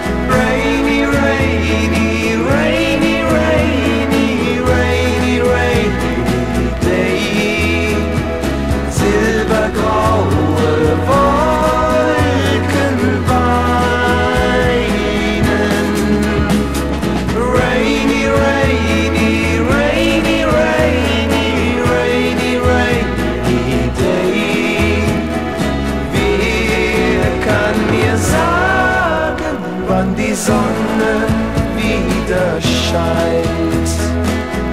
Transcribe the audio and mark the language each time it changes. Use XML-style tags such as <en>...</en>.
<en>Rainy, rainy, rainy, rainy, rainy, rainy day.</en> <de>Silbergraue Wolken weinen.</de> <en>Rainy, rainy, rainy, rainy, rainy, rainy day.</en> <de>Sagen, wann die Sonne wieder scheint.</de>